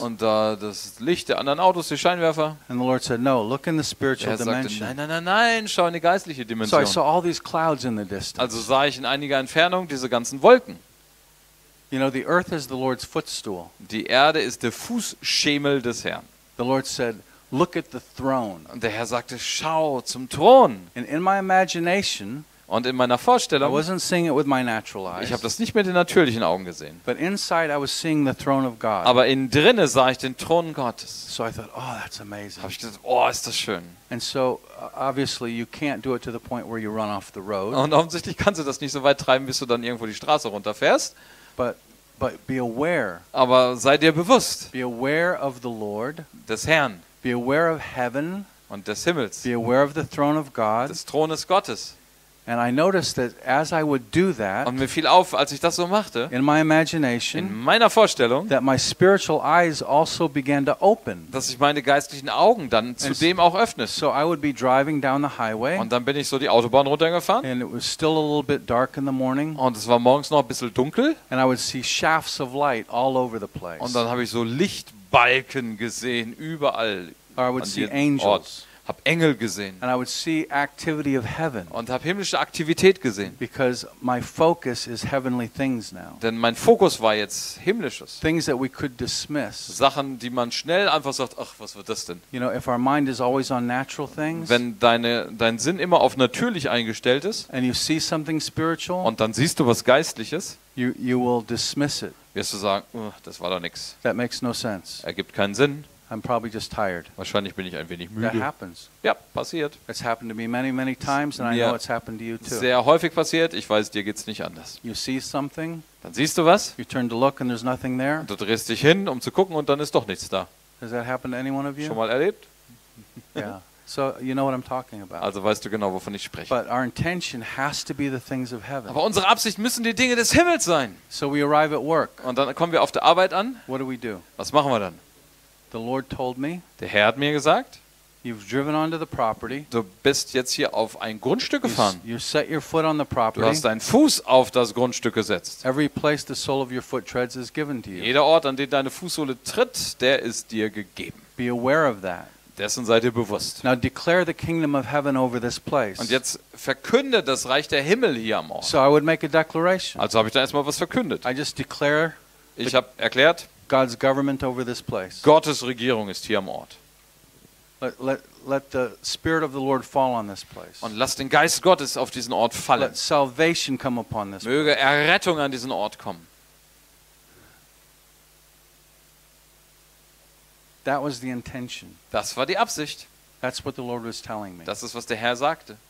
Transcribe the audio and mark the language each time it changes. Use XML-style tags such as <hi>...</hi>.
<de>Und das Licht der anderen Autos, die Scheinwerfer.</de> <en>And the Lord said, "No, look in the spiritual dimension."</en> <de>Der Herr sagte, nein, schau in die geistliche Dimension.</de> <en>So I saw all these clouds in the distance.</en> <de>Also sah ich in einiger Entfernung diese ganzen Wolken.</de> <en>You know, the earth is the Lord's footstool.</en> <de>Die Erde ist der Fußschemel des Herrn.</de> <en>The Lord said, "Look at the throne."</en> <de>Und der Herr sagte, schau zum Thron.</de> <en>And in my imagination,</en> <de>und in meiner Vorstellung,</de> <en>I wasn't seeing it with my natural eyes.</en> <de>Ich habe das nicht mit den natürlichen Augen gesehen.</de> <en>But inside, I was seeing the throne of God.</en> <de>Aber innen drinne sah ich den Thron Gottes.</de> <en>So I thought, oh, that's amazing.</en> <de>Habe ich gesagt, oh, ist das schön.</de> <en>And so obviously you can't do it to the point where you run off the road.</en> <de>Und offensichtlich kannst du das nicht so weit treiben, bis du dann irgendwo die Straße runterfährst.</de> <en>But be aware.</en> <de>Aber sei dir bewusst.</de> <en>Be aware of the Lord.</en> <de>Des Herrn.</de> <en>Be aware of heaven.</en> <de>Und des Himmels.</de> <en>Be aware of the throne of God.</en> <de>Des Thrones Gottes.</de> <en>And I noticed that as I would do that.</en> <de>Und mir fiel auf, als ich das so machte.</de> <en>In my imagination.</en> <de>In meiner Vorstellung.</de> <en>That my spiritual eyes also began to open.</en> <de>Dass ich meine geistlichen Augen dann zudem auch öffne.</de> <en>So I would be driving down the highway.</en> <de>Und dann bin ich so die Autobahn runtergefahren.</de> <en>And it was still a little bit dark in the morning.</en> <de>Und es war morgens noch ein bisschen dunkel.</de> <en>And I would see shafts of light all over the place.</en> <de>Und dann habe ich so Lichtbalken gesehen überall.</de> <en>Or I would see angels.</en> <de>Hab Engel gesehen.</de> <en>And I would see activity of heaven.</en> <de>Und hab himmlische Aktivität gesehen.</de> <en>Because my focus is heavenly things now.</en> <de>Denn mein Fokus war jetzt himmlisches.</de> <en>Things that we could dismiss.</en> <de>Sachen, die man schnell einfach sagt, ach, was wird das denn?</de> <en>You know, if our mind is always on natural things.</en> <de>Wenn dein Sinn immer auf natürlich eingestellt ist.</de> <en>And you see something spiritual.</en> <de>Und dann siehst du was Geistliches.</de> <en>You will dismiss it.</en> <de>Wirst du sagen, oh, das war doch nichts.</de> <en>That makes no sense.</en> <de>Ergibt keinen Sinn.</de> <en>I'm probably just tired.</en> <de>Wahrscheinlich bin ich ein wenig müde.</de> <en>That happens.</en> <de>Ja, passiert.</de> <en>It's happened to me many, many times, and I know it's happened to you too.</en> <de>Sehr häufig passiert. Ich weiß, dir geht's nicht anders.</de> <en>You see something.</en> <de>Dann siehst du was.</de> <en>You turn to look, and there's nothing there.</en> <de>Du drehst dich hin, um zu gucken, und dann ist doch nichts da.</de> <en>Has that happened to any one of you?</en> <de>Schon mal erlebt?</de> <en>Yeah. So you know what I'm talking about.</en> <de>Also weißt du genau, wovon ich spreche.</de> <en>But our intention has to be the things of heaven.</en> <de>Aber unsere Absicht müssen die Dinge des Himmels sein.</de> <en>So we arrive at work.</en> <de>Und dann kommen wir auf der Arbeit an.</de> <en>What do we do?</en> <de>Was machen wir dann?</de> <en>The Lord told me.</en> <de>Der Herr hat mir gesagt.</de> <en>You've driven onto the property.</en> <de>Du bist jetzt hier auf ein Grundstück gefahren.</de> <en>You set your foot on the property.</en> <de>Du hast deinen Fuß auf das Grundstück gesetzt.</de> <en>Every place the sole of your foot treads is given to you.</en> <de>Jeder Ort, an dem deine Fußsohle tritt, der ist dir gegeben.</de> <en>Be aware of that.</en> <de>Dessen seid ihr bewusst.</de> <en>Now declare the kingdom of heaven over this place.</en> <de>Und jetzt verkünde das Reich der Himmel hier am Ort.</de> <en>So I would make a declaration.</en> <de>Also habe ich da erstmal was verkündet.</de> <en>I just declare.</en> <de>Ich habe erklärt.</de> <en>God's government over this place.</en> <de>Gottes Regierung ist hier am Ort.</de> <en>Let the spirit of the Lord fall on this place.</en> <de>Und lass den Geist Gottes auf diesen Ort fallen.</de> <en>Let salvation come upon this.</en> <de>Möge Errettung an diesen Ort kommen.</de> <en>That was the intention.</en> <de>Das war die Absicht.</de> <en>That's what the Lord was telling me.</en> <de>Das ist was der Herr sagte.</de>